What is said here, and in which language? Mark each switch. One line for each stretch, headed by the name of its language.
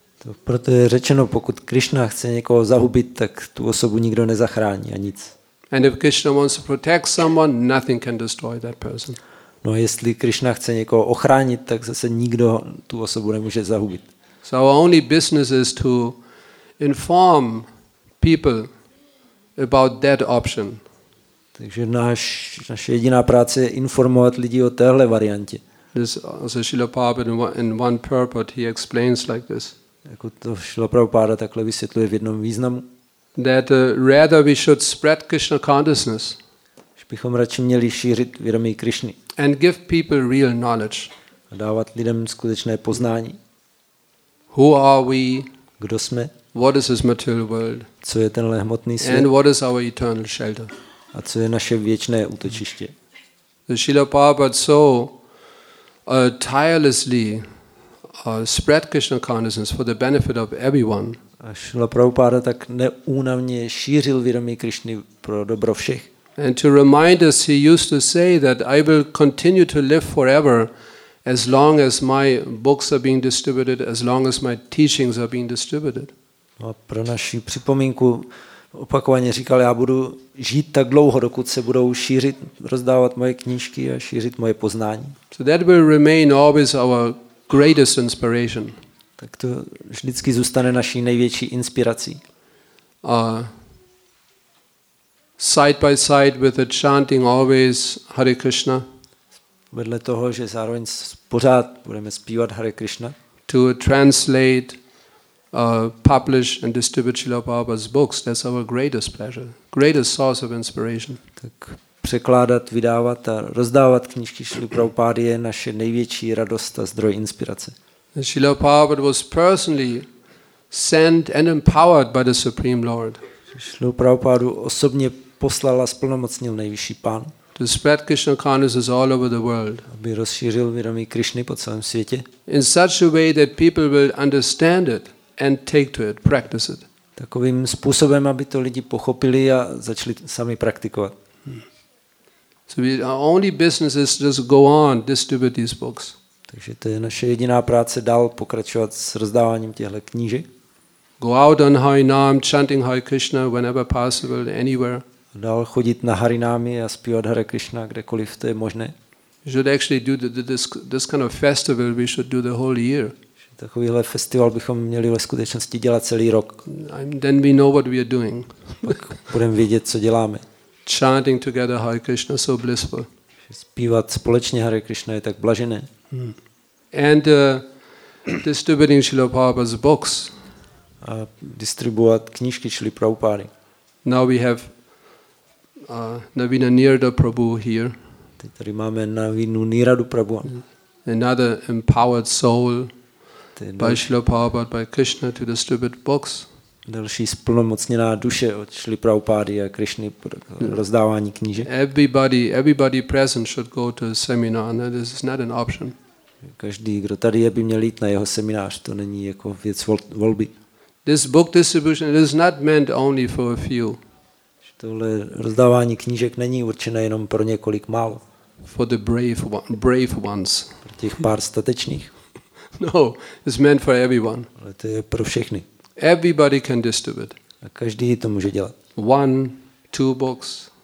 Czech: To proto je řečeno, pokud Krishna chce někoho zahubit, tak tu osobu nikdo nezachrání a nic.
English: And if Krishna wants to protect someone, nothing can destroy that person.
Czech: No a jestli Krishna chce někoho ochránit, tak zase nikdo tu osobu nemůže zahubit.
English: So our only business is to inform people about that option.
Czech: Takže naše jediná práce je informovat lidi o téhle variantě.
English: This also Srila Prabhupada in one purport he explains like this.
Czech: Jako to Srila Prabhupada takhle vysvětluje v jednom významu.
English: That rather we should spread Krishna consciousness.
Czech: Že bychom radši měli šířit vědomí Krišny.
English: And give people real knowledge.
Czech: A dávat lidem skutečné poznání.
English: Who are we?
Czech: Kdo jsme?
English: What is this material world?
Czech: Co je tenhle hmotný svět?
English: And what is our eternal shelter?
Czech: A co je naše věčné útočiště?
English: Srila Prabhupada so tirelessly spread Krishna consciousness for the benefit of everyone.
Czech: A Srila Prabhupada tak neúnavně šířil vědomí Krišny pro dobro všech.
English: And to remind us, he used to say that I will continue to live forever as long as my books are being distributed, as long as my teachings are being distributed.
Czech: No a pro naši připomínku opakovaně říkal, já budu žít tak dlouho, dokud se budou šířit, rozdávat moje knížky a šířit moje poznání.
English: So that will remain always our greatest inspiration.
Czech: Tak to vždycky zůstane naší největší inspirací.
English: Side by side with the chanting always Hare Krishna.
Czech: Vedle toho, že zároveň pořád budeme zpívat Hare Krishna.
English: To translate, publish and distribute Srila Prabhupada's books, that's our greatest pleasure, greatest source of inspiration.
Czech: Tak překládat, vydávat a rozdávat knížky Srila Prabhupády je naše největší radost a zdroj inspirace.
English: Srila Prabhupada was personally sent and empowered by the Supreme Lord.
Czech: Srila Prabhupada osobně poslal a splnomocnil nejvyšší pán.
English: To spread Krishna consciousness all over the world.
Czech: Aby rozšířil vědomí Krišny po celém světě.
English: In such a way that people will understand it and take to it, practice it.
Czech: Takovým způsobem, aby to lidi pochopili a začali sami praktikovat.
English: So our only business is just go on, distribute these books.
Czech: Takže to je naše jediná práce dál pokračovat s rozdáváním těchto knížek.
English: Go out on Harinam, chanting Hare Krishna whenever possible, anywhere.
Czech: Dál chodit na Harinámy a zpívat Hare Krishna kdekoliv to je možné.
English: Should actually do this kind of festival we should do the whole year.
Czech: Takovýhle festival bychom měli ve skutečnosti dělat celý rok.
English: Then we know what we are doing.
Czech: Pak budeme vědět, co děláme.
English: Chanting together Hare Krishna so blissful.
Czech: Zpívat společně Hare Krishna je tak blažené.
English: And distributing Srila Prabhupada's books.
Czech: A distribuovat knížky Srila Prabhupády.
English: Now we have Navina Nirada Prabhu here.
Czech: Teď tady máme Navinu Niradu Prabhu.
English: Another empowered soul by Srila Prabhupada, by Krishna to distribute books.
Czech: Další splnomocněná duše od Srila Prabhupády a Krishny pro rozdávání knížek.
English: Everybody present should go to a seminar. No, this is not an option.
Czech: Každý, kdo tady je, by měl jít na jeho seminář. To není jako věc volby.
English: This book distribution is not meant only for a few.
Czech: Tohle rozdávání knížek není určené jenom pro několik málo.
English: For the brave ones.
Czech: Pro těch pár statečných.
English: No, it's meant for everyone.
Czech: Ale to je pro všechny.
English: Everybody can distribute.
Czech: A každý to může dělat.
English: One, two books.